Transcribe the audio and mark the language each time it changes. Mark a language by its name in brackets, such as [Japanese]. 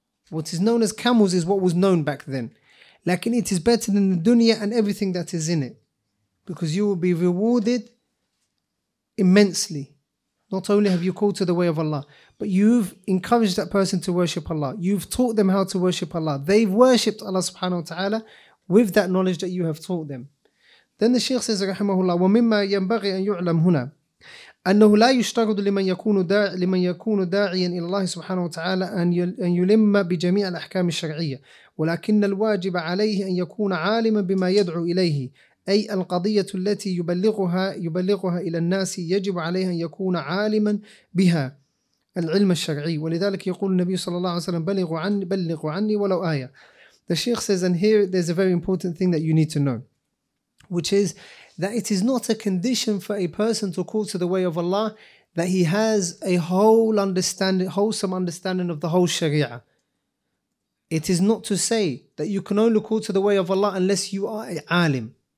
[English] What is known as camels is what was known back then. Lakin it is better than the dunya and everything that is in it. Because you will be rewarded immensely. Not only have you called to the way of Allah, but you've encouraged that person to worship Allah. You've taught them how to worship Allah. They've worshipped Allah subhanahu wa ta'ala with that knowledge that you have taught them. Then the Shaykh says, rahimahullah, [Arabic] وَمِمَّا يَنْبَغِي أَنْ يُعْلَمْ هُنَا أَنَّهُ لَا يُشْتَرُدُ لِمَنْ يَكُونُ دَاعِيًا إِلَى اللَّهِ سُبْحَانَهُ وَتَعَالَى أَنْ يُلِمَّ بِجَمِيعَ الْأَحْكَامِ الشَّرْعِيَّةِ وَلَكِنَّ الْوَاجِبَ عَلَيْهِ أَنْ يَكُونَ عَالِمًا بِمَا يَدْعُو إِلَيْهِ أي القضية التي يبلغها إلى الناس يجب عليه أن يكون عالما بها العلم الشرعي ولذلك يقول النبي صلى الله عليه وسلم بلغوا عني ولو آية. [English] The Sheikh says, and here there's a very important thing that you need to know, which is that it is not a condition for a person to call to the way of Allah that he has a wholesome understanding of the whole Sharia. It is not to say that you can only call to the way of Allah unless you are an alim.